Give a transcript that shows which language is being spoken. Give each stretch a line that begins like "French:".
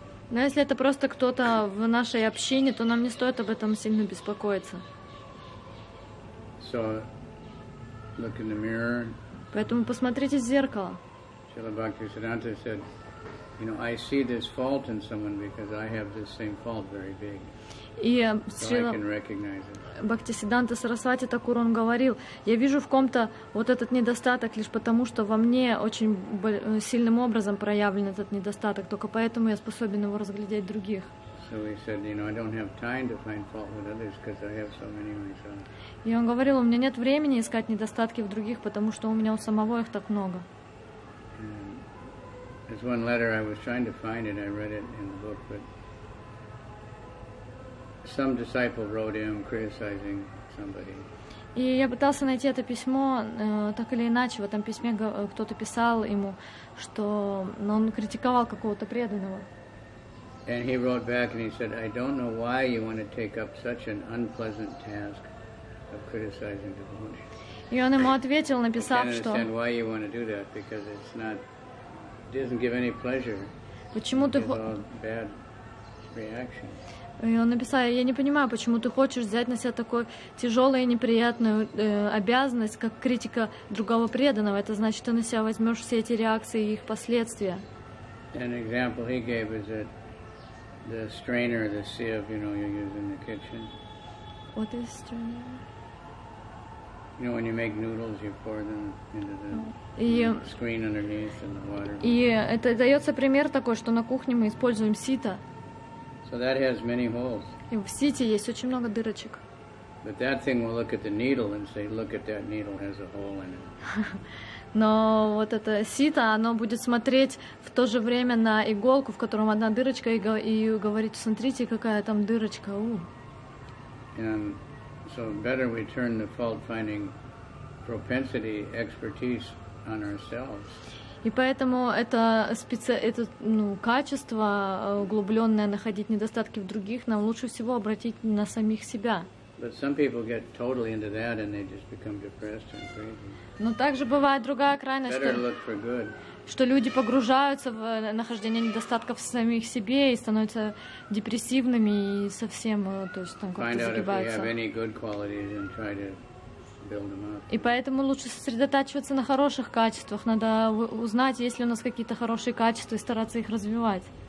Russian: Но если это просто кто-то в нашей общине, то нам не стоит об этом сильно беспокоиться.
English: So, look in the mirror.
Russian: Поэтому посмотрите в зеркало.
English: Шрила Бхактисиддханта said, you know, I see this fault in someone because I have this same fault very big.
Russian: И Бхактисиддханта Сарасвати Такур, он говорил, я вижу в ком-то вот этот недостаток лишь потому, что во мне очень сильным образом проявлен этот недостаток, только поэтому я способен его разглядеть в других.
English: So he said, you know, I don't have time to find fault with others because I have so many myself.
Russian: И он говорил, у меня нет времени искать недостатки в других, потому что у меня у самого их так много.
English: There's one letter I was trying to find it. I read it in the book, but some disciple wrote him criticizing somebody.
Russian: И я пытался найти это письмо, так или иначе, в этом письме кто-то писал ему, что он критиковал какого-то преданного.
English: And he wrote back and he said, I don't know why you want to take up such an unpleasant task of criticizing devotees.
Russian: И он ему ответил, написав, что...
English: I can't understand why you want to do that, because it's not... It doesn't give any pleasure.
Russian: Почему ты...
English: It's all bad reaction.
Russian: И он написал, я не понимаю, почему ты хочешь взять на себя такую тяжелую и неприятную обязанность, как критика другого преданного. Это значит, ты на себя возьмешь все эти реакции и их последствия.
English: An example he gave is that the strainer, the sieve, you know, you use in the kitchen. What is strainer? You know, when you make noodles, you pour them into the screen underneath and the water.
Russian: И это дается пример такой, что на кухне мы используем сито.
English: So that has many holes.
Russian: И в сите есть очень много дырочек.
English: But that thing will look at the needle and say, look at that needle has a hole in it.
Russian: Но вот это сито, оно будет смотреть в то же время на иголку, в котором одна дырочка, и говорить, смотрите, какая там дырочка, у.
English: And so better we turn the fault-finding propensity expertise on ourselves.
Russian: И поэтому это качество, углубленное находить недостатки в других, нам лучше всего обратить на самих себя.
English: But some people get totally into that and they just become depressed and crazy.
Russian: Но также бывает другая крайность, что люди погружаются в нахождение недостатков в самих себе и становятся депрессивными и совсем, то есть там как-то загибаются. И поэтому лучше сосредотачиваться на хороших качествах. Надо узнать, есть ли у нас какие-то хорошие качества и стараться их развивать.